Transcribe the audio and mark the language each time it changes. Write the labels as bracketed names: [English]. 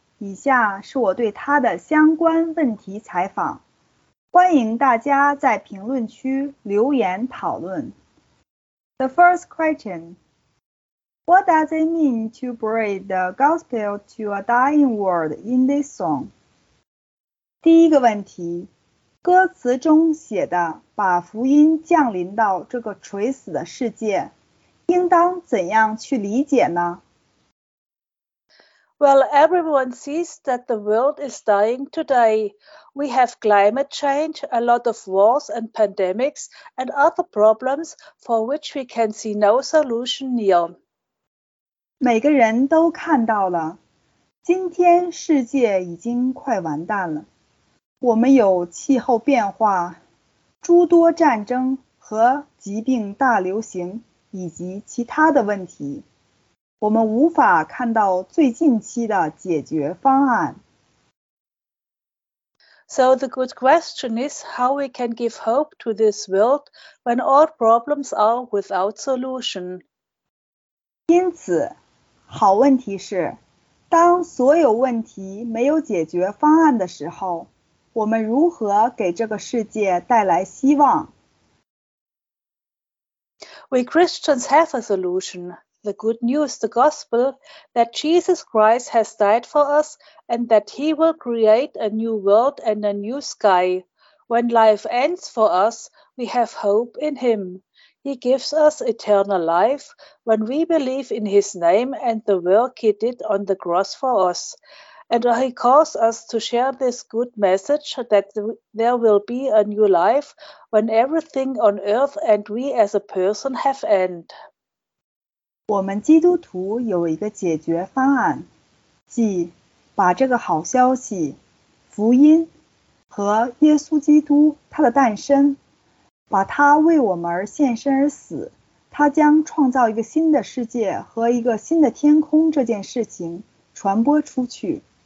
[Chinese] 以下是我对他的相关问题采访，欢迎大家在评论区留言讨论。 [English] The first question: What does it mean to bring the gospel to a dying world in this song? [Chinese] 第一个问题，歌词中写的把福音降临到这个垂死的世界，应当怎样去理解呢？ [English] Well, everyone sees that the world is dying today. We have climate change, a lot of wars and pandemics, and other problems for which we can see no solution near. [Chinese] 每个人都看到了，今天世界已经快完蛋了。我们有气候变化，诸多战争和疾病大流行，以及其他的问题。我们无法看到最近期的解决方案。 [English] So the good question is how we can give hope to this world when all problems are without solution. [Chinese] 因此，好问题是，当所有问题没有解决方案的时候，我们如何给这个世界带来希望？ [English] We Christians have a solution. The good news, the gospel, that Jesus Christ has died for us and that he will create a new world and a new sky. When life ends for us, we have hope in him. He gives us eternal life when we believe in his name and the work he did on the cross for us. And he calls us to share this good message that there will be a new life when everything on earth and we as a person have end. [Chinese] 我们基督徒有一个解决方案，即把这个好消息、福音和耶稣基督他的诞生，把他为我们而献身而死，他将创造一个新的世界和一个新的天空这件事情传播出去。